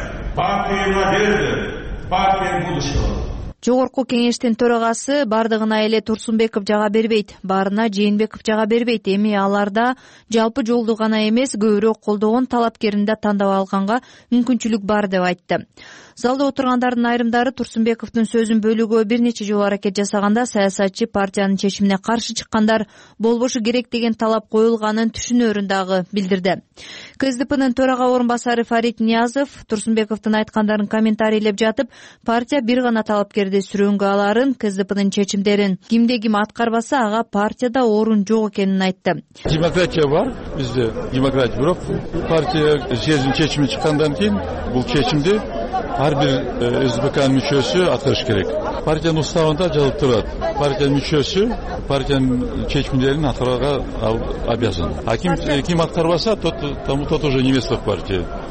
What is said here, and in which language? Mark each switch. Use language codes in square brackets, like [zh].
[ru] Партия надежды, партия будущего. [ky] Жогорку кеңештин төрагасы бардыгына эле Турсунбеков жага бербейт, барына Жээнбеков жага бербейт. Эми аларда жалпы жолду гана эмес, көбүрөөк колдогон талапкерин да тандап алганга мүмкүнчүлүк бар деп айтты. Залда отургандардын айрымдары Турсунбековдун сөзүн бөлүүгө бир нече жолу аракет жасаганда саясатчы партиянын чечимине каршы чыккандар болбошу керек деген талап коюлганын түшүнөрүн дагы билдирди. КСДПнын төрага орун басары Фарид Ниязов Турсунбековдун айткандарын комментарийлеп жатып, партия бир гана талапкерди сүрөнгө аларын, КСДПнын чечимдерин кимде ким аткарбаса, ага партияда орун жок экенин айтты. Демократия бар, бизде демократия, бирок партия сөзүн чечими чыккандан кийин бул чечимди ар бир СДПКнын мүчөсү аткарыш керек. Партиянын уставында жазылып турат. Партиянын мүчөсү партиянын чечимдерин аткарууга обязан. [ru] А [ky] ким аткарбаса, [ru] тот уже не место в партии.